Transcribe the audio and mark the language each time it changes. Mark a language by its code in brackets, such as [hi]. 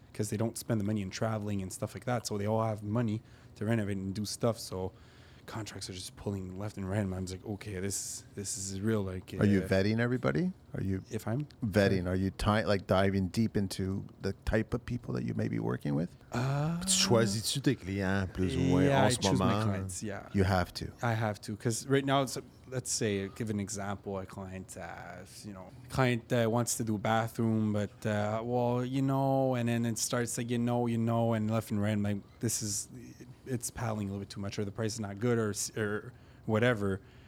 [en] Because they don't spend the money in traveling and stuff like that. So they all have money to renovate and do stuff. So contracts are just pulling left and right. And I'm just like, okay, this is real. Like, are you vetting everybody? Are you are you diving deep into the type of people that you may be working with? [fr] Choisis-tu tes clients plus ou moins en ce moment? [en] Yeah, I choose my clients, yeah. You have to. I have to. Because right now, let's say, give an example, a client, wants to do a bathroom, but, and then it starts like, and left and right, like, it's paddling a little bit too much, or the price is not good, or whatever.